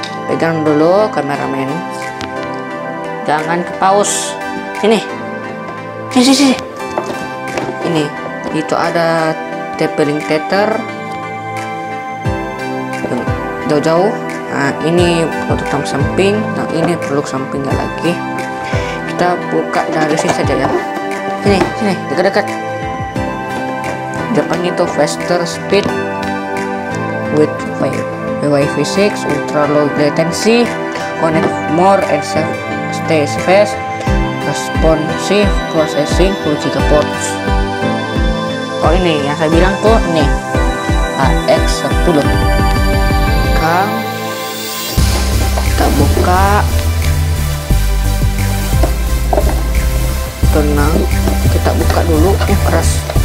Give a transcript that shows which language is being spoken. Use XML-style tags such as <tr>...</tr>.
<id>Pegang dulu kameramen. Jangan ke pause. Sini. Sini. Ini. Itu ada TP-Link tether jauh-jauh. Nah, ini produk samping. Nah, ini produk sampingnya lagi. Kita buka dari sini saja ya. Sini, dekat-dekat. Depan itu</id> <en>faster speed with Wi-Fi 6 ultra low latency, connect more and safe, stay fast, responsive processing 4 GB.</en> <id>Oh, ini yang saya bilang tuh nih AX10. Kita buka. Tenang, kita buka dulu yang keras.</id>